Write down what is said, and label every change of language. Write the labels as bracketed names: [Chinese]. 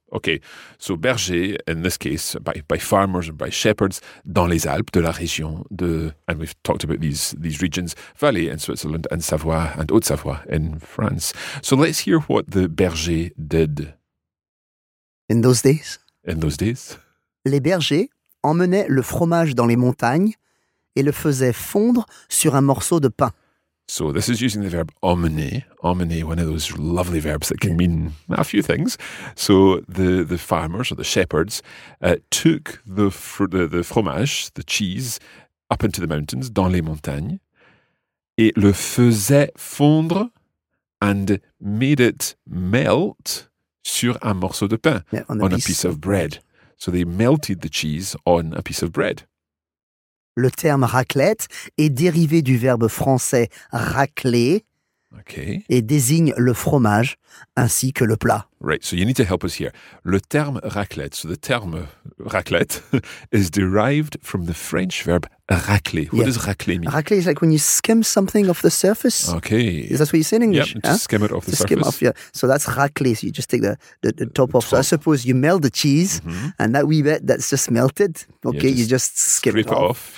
[English] Okay, so berger, in this case, by farmers and by shepherds, [French] dans les Alpes, de la région de... [English] And we've talked about these regions, Valais in Switzerland and Savoie and Haute-Savoie in France. So let's hear what the berger did. In those days? [French] Les bergers emmenaient le fromage dans les montagnes et le faisaient fondre sur un morceau de pain. [English] So this is using the verb emmener. Emmener, one of those lovely verbs that can mean a few things. So the farmers or the shepherds took the fromage, the cheese, up into the mountains, [French] dans les montagnes, et le faisait fondre [English] and made it melt [French] sur un morceau de pain, [English] on a piece of bread. So they melted the cheese on a piece of bread. [French] Le terme raclette est dérivé du verbe français racler et désigne le fromage ainsi que le plat. [English] Right, so you need to help us here. [French] Le terme raclette, [English] so the term raclette is derived from the French verb racler. Yeah. What does racler mean? Racler is like when you skim something off the surface. Okay. Is that what you say in English? Yep, to skim it off the surface. Yeah. So that's racler, so you just take the top off. So I suppose you melt the cheese, and that wee bit that's just melted, okay, yeah, you just skim it off.